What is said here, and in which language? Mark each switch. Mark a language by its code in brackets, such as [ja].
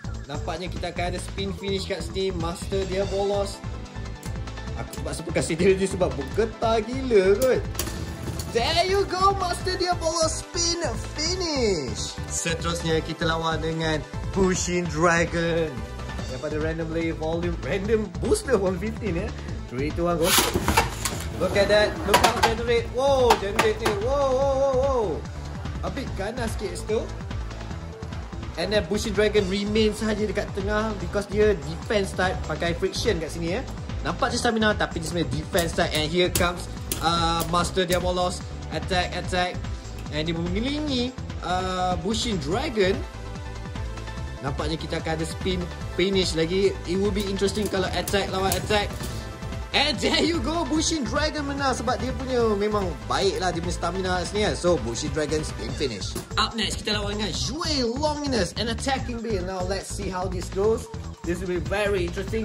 [ms] Nampaknya kita akan ada spin finish kat sini. Master Diabolos. Aku sebab siapa kasih dia ni sebab bergetar gila kot. [en] There you go, Master Diabolos spin finish. [ms] Seterusnya kita lawan dengan Pushing Dragon. [en] Daripada randomly volume, random booster 115 ya. 3, 2, 1, go. Look at that. Look how generate. Whoa, generate ni. Whoa. A bit ganas sikit still. [ms] And then Pushing Dragon remain sahaja dekat tengah because dia defense type, pakai friction kat sini ya. Nampak je stamina, tapi dia sebenarnya defense type. And here comes Master Diabolos. Attack, attack. And dia mengelilingi Bushin Dragon. Nampaknya kita akan ada spin finish lagi. [en] It will be interesting kalau attack lawan attack. [ms] And there you go, Bushin Dragon menang. Sebab dia punya memang baik lah, dia punya stamina sini kan. [en] So Bushin Dragon spin finish. Up next kita lawan dengan Jui Longinus and attacking B. Now let's see how this goes. This will be very interesting.